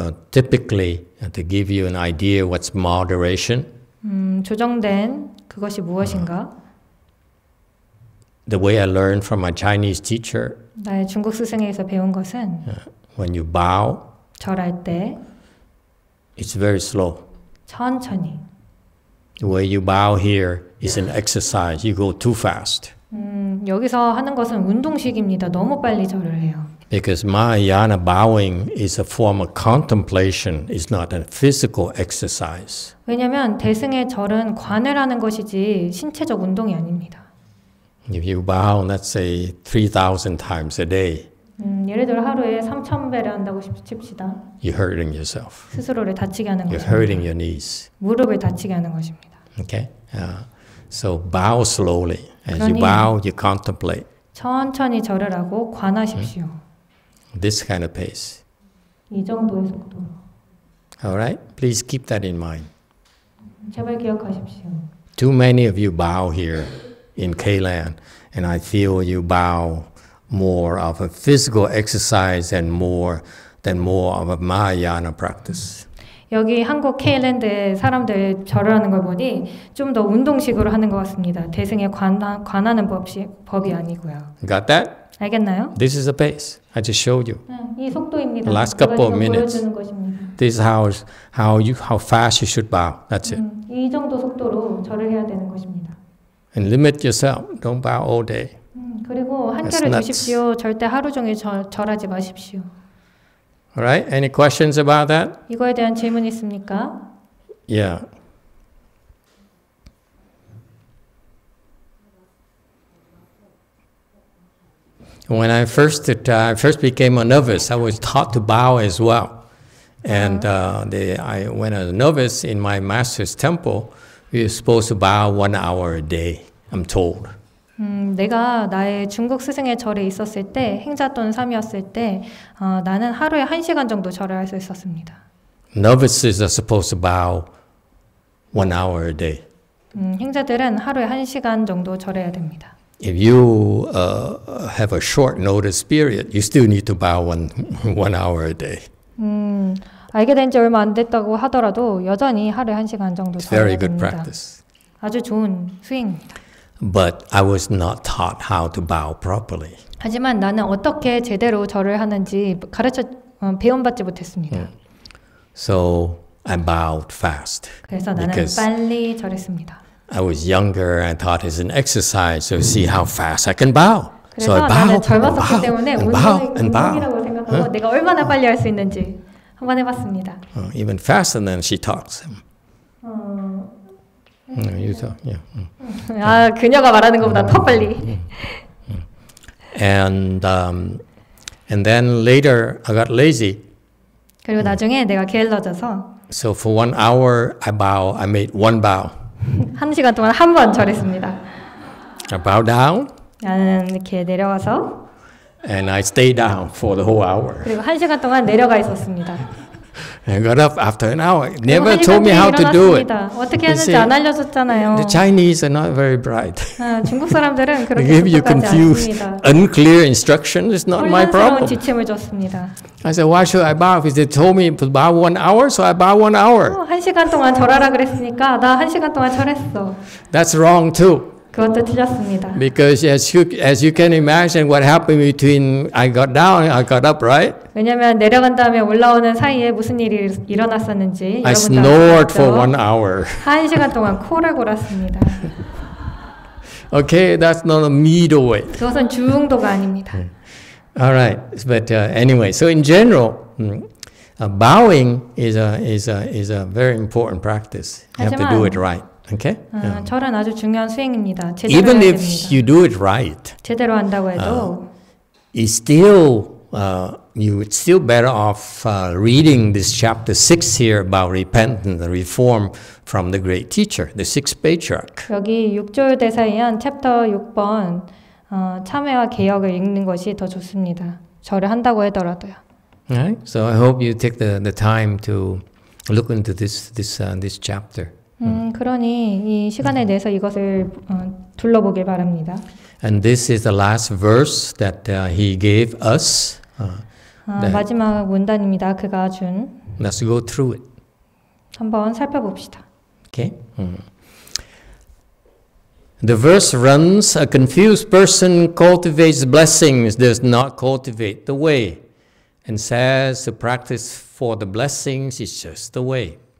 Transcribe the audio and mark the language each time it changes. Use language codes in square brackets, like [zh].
[en] Typically to give you an idea what's moderation. [ko] 조정된 그것이 무엇인가? [en] The way I learned from my Chinese teacher. [ko] 나의 중국 스승에서 배운 것은 [en] when you bow. [ko] 절할 때. [en] It's very slow. [ko] 천천히. [en] The way you bow here is an exercise. You go too fast. [ko] 여기서 하는 것은 운동식입니다. 너무 빨리 절을 해요. [en] Because Mahayana bowing is a form of contemplation. It's not a physical exercise. [ko] 왜냐하면 대승의 절은 관을 하는 것이지 신체적 운동이 아닙니다. [en] If you bow, let's say 3,000 times a day. [ko] 예를 들어 하루에 3,000배를 한다고 칩시다. [en] You're hurting yourself. [ko] 스스로를 다치게 하는 [en] You're [ko] 것입니다. [en] You're hurting your knees. [ko] 무릎을 다치게 하는 것입니다. [en] Okay. So bow slowly. As you bow, you contemplate. [ko] 천천히 절을 하고 관하십시오. [en] This kind of pace. [ko] 이 정도의 속도. [en] All right. Please keep that in mind. [ko] 제발 기억하십시오. [en] too many of you bow here in Kailan, and I feel you bow more of a physical exercise and more of a Mahayana practice. [ko] 여기 한국 케일랜드에 사람들 절을 하는 걸 보니 좀 더 운동식으로 하는 것 같습니다. 대승에 관하는 법이 아니고요. [en] Got that? [ko] 알겠나요? [en] This is the pace. I just showed you. [ko] 이 속도입니다. [en] Last couple of minutes. This is how fast you should bow. That's it. [ko] 이 정도 속도로 절을 해야 되는 것입니다. [en] And limit yourself. Don't bow all day. [ko] 그리고 한절을 주십시오. 절대 하루 종일 절하지 마십시오. [en] All right. Any questions about that? [ko] 이거에 대한 질문 있습니까? [en] Yeah. When I first became a novice, I was taught to bow as well. And when I was a novice in my master's temple, we were supposed to bow 1 hour a day. I'm told. [ko] 내가 나의 중국 스승의 절에 있었을 때 행자돈 3이었을 때 나는 하루에 1시간 정도 절을 할 수 있었습니다. [en] Novices are supposed to bow 1 hour a day. [ko] 행자들은 하루에 1시간 정도 절해야 됩니다. [en] If you have a short notice period, you still need to bow one hour a day. [ko] 알게 된 지 얼마 안 됐다고 하더라도 여전히 하루에 1시간 정도 절해야 됩니다. [en] Very good practice. [ko] 아주 좋은 수행입니다. [en] But I was not taught how to bow properly. [ko] 하지만 나는 어떻게 제대로 절을 하는지 가르쳐 배움받지 못했습니다. [en] So I bowed fast. [ko] 그래서 나는 빨리 절했습니다. [en] I was younger. I thought it's an exercise to see how fast I can bow. So I bowed. [ko] 그래서 나는 젊었기 때문에 운동이라고 생각하고 내가 얼마나 빨리 할 수 있는지 한번 해봤습니다. [en] Even faster than she talks. Yeah. [ko] 아, 그녀가 말하는 것보다 더 빨리. [en] And then later I got lazy. [ko] 그리고 나중에 내가 게을러져서. [en] So for 1 hour I bow, I made one bow. [ko] 한 시간 동안 한 번 절했습니다. [en] I bow down. [ko] 나는 이렇게 내려와서. [en] And I stay down for the whole hour. [ko] 그리고 한 시간 동안 내려가 있었습니다. [en] I got up after an hour. Never told me how to do it. [ko] 어떻게 했는지 안 알려줬잖아요. [en] The Chinese are not very bright. [ko] 중국 사람들은 그렇게 [en] They give you confused, unclear instructions. It's not my problem. [ko] 지침을 줬습니다. [en] I said, why should I bow? Because they told me to bow 1 hour, so I bow 1 hour. [ko] 한 시간 동안 절하라 그랬으니까 나 한 시간 동안 절했어. [en] That's wrong too. [ko] 그것도 틀렸습니다. [en] Because as you can imagine, what happened between I got down and I got up, right? [ko] 왜냐하면 내려간 다음에 올라오는 사이에 무슨 일이 일어났었는지 [en] I snored for 1 hour. [ko] 한 시간 동안 코를 골았습니다. [en] Okay, that's not a middleweight. [ko] 그것은 중도가 아닙니다. [en] All right, but anyway, so in general, bowing is a very important practice. You have to do it right. Okay. [ko] 절은 아주 중요한 수행입니다. 제대로 해야 됩니다. [en] Even if you do it right, [ko] 제대로 한다고 해도, [en] you're still better off reading this chapter 6 here about repentance, the reform from the great teacher, the sixth patriarch. [ko] 여기 6절 대사에 한 챕터 6번 참회와 개혁을 읽는 것이 더 좋습니다. 절을 한다고 해더라도요. [en] Right. So I hope you take the time to look into this chapter. [ko] 그러니 이 시간에 내서 이것을 둘러보길 바랍니다. [en] And this is the last verse that he gave us. [ko] 마지막 문단입니다. 그가 준. [en] Let's go through it. [ko] 한번 살펴봅시다. [en] Okay. The verse runs, a confused person cultivates blessings, does not cultivate the way, and says the practice for the blessings is just the way.